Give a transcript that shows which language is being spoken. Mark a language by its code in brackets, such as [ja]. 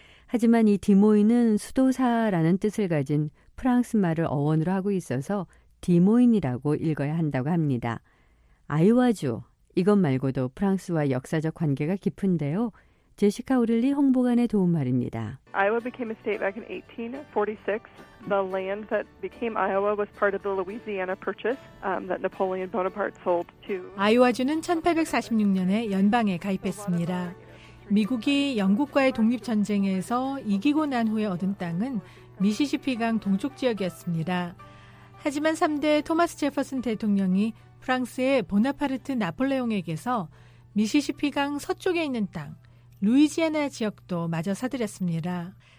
[ko] 하지만 이 디모인은 수도사라는 뜻을 가진 프랑스 말을 어원으로 하고 있어서 디모인이라고 읽어야 한다고 합니다. 아이오와주, 이것 말고도 프랑스와 역사적 관계가 깊은데요. 제시카 오릴리 홍보관의 도움말입니다. [en] Iowa became a state back in 1846. The land that became Iowa was part of the Louisiana Purchase that Napoleon Bonaparte sold to. [ko] 아이오와주는 1846년에 연방에 가입했습니다. 미국이 영국과의 독립 전쟁에서 이기고 난 후에 얻은 땅은 미시시피강 동쪽 지역이었습니다. 하지만 3대 토마스 제퍼슨 대통령이 프랑스의 보나파르트 나폴레옹에게서 미시시피강 서쪽에 있는 땅, 루이지애나 지역도 마저 사들였습니다.